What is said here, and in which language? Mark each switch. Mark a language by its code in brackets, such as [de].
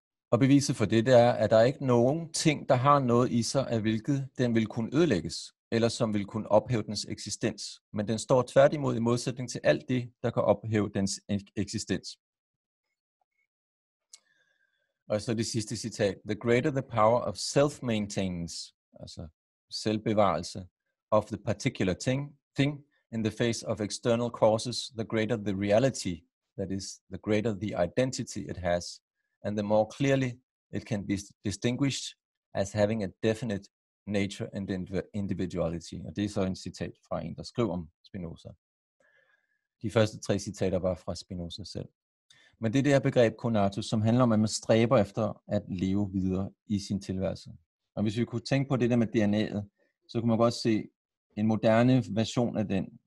[da] Og beviset for det, er, at der ikke er nogen ting, der har noget i sig, af hvilket den vil kunne ødelægges, eller som vil kunne ophæve dens eksistens. Men den står tværtimod i modsætning til alt det, der kan ophæve dens eksistens. Og så det sidste citat. [en] The greater the power of self-maintenance, [da] altså selvbevarelse, [en] of the particular thing in the face of external causes, the greater the reality, that is, the greater the identity it has, and the more clearly it can be distinguished as having a definite nature and individuality. [da] Og det er så en citat fra en, der skriver om Spinoza. De første tre citater var fra Spinoza selv. Men det er det her begreb conatus, som handler om, at man stræber efter at leve videre i sin tilværelse. Og hvis vi kunne tænke på det der med DNA'et, så kunne man godt se en moderne version af den.